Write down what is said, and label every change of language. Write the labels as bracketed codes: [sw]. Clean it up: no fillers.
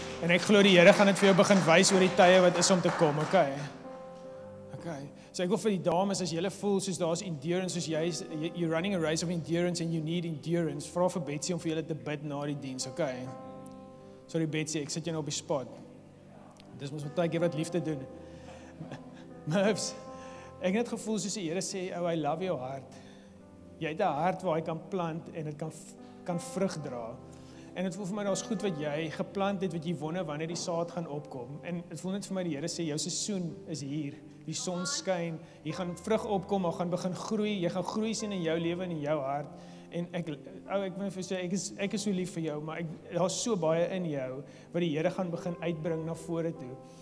[af] En ek glo die Here gaan dit vir jou begin wys oor die tye wat is om te kom, ok? Ok, so ek wil vir die dames, as julle voel soos daar is endurance, soos jy is, [en] you're running a race of endurance and you need endurance, [af] vra vir Betsy om vir julle te bid na die diens, ok? Sorry Betsy, ek sit jou nou op die spot. Dis moes met tyk wat liefde doen. Mervs, ek het gevoel soos die Here sê, [en] oh, I love your heart. [af] Jy het een hart waar hy kan plant en het kan vrug dra. En het voel vir my, dat is goed wat jy geplant het, wat jy wonne, wanneer die saad gaan opkom. En het voel net vir my, die Here sê, jou seisoen is hier. Die son skyn, jy gaan vrug opkom, al gaan begin groei, jy gaan groei sien in jou leven en in jou hart. En ek is so lief vir jou, maar daar is so baie in jou, wat die Here gaan begin uitbring na vore toe.